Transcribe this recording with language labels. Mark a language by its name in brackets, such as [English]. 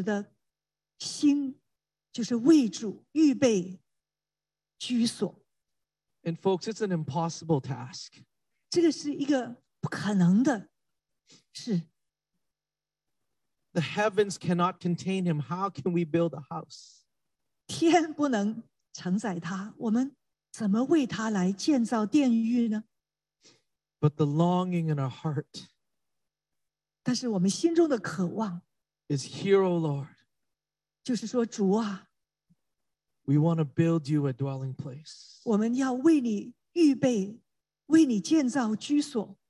[Chinese] 这个就是西安一直的心。就是为主预备居所。 [English] And folks, it's an impossible task. [Chinese] 这个是一个不可能的事。 [English] The heavens cannot contain him. How can we build a house? [Chinese] 天不能承载他。 我们怎么为他来建造殿宇呢? [English] But the longing in our heart [Chinese] 但是我们心中的渴望 [English] is here, O Lord. [Chinese] 就是说主啊, [English] we want to build you a dwelling place. [Chinese] 我们要为你预备，为你建造居所。